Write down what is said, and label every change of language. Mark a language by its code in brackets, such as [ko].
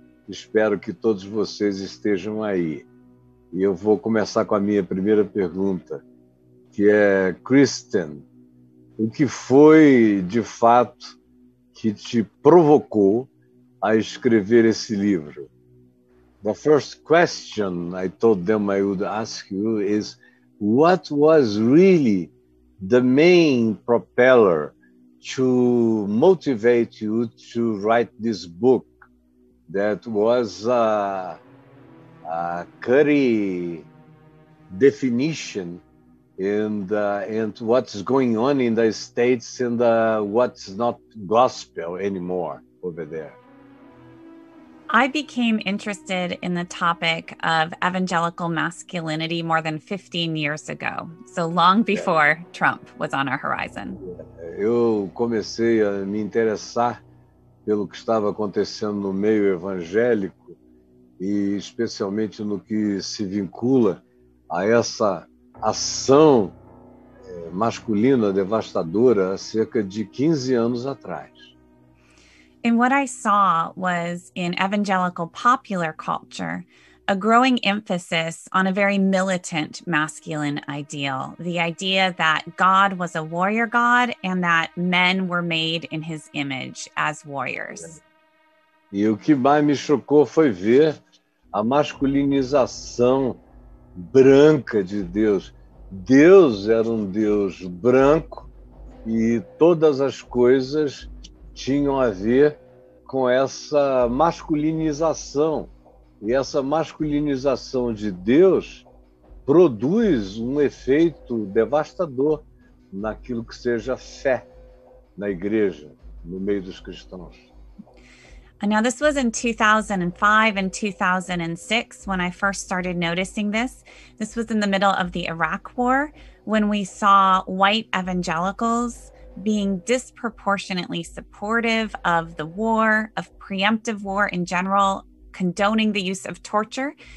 [pt] Espero que todos vocês estejam aí. E eu vou começar com a minha primeira pergunta, que é: Kristin, o que foi de fato que te provocou a escrever esse livro? [en] The first question I told them I would ask you is: what was really the main propeller to motivate you to write this book? That was a cutting definition and what's going on in the States and what's not gospel anymore over there. I became interested in the topic of evangelical masculinity more than 15 years ago, so long before Trump was on our horizon. [pt] Eu comecei a me interessar pelo que estava acontecendo no meio evangélico e especialmente no que se vincula a essa ação masculina devastadora há cerca de 15 anos atrás. [en] And what I saw was in evangelical popular culture a growing emphasis on a very militant masculine ideal, the idea that God was a warrior God and that men were made in his image as warriors. [pt] E o que mais me chocou foi ver a masculinização branca de Deus. Deus era um Deus branco e todas as coisas tinham a ver com essa masculinização. E essa masculinização de Deus produz um efeito devastador naquilo que seja fé na igreja, no meio dos cristãos. [en] Now, this was in 2005 and 2006 when I first started noticing this. This was in the middle of the Iraq War when we saw white evangelicals being disproportionately supportive of the war, of preemptive war in general, condoning the use of torture.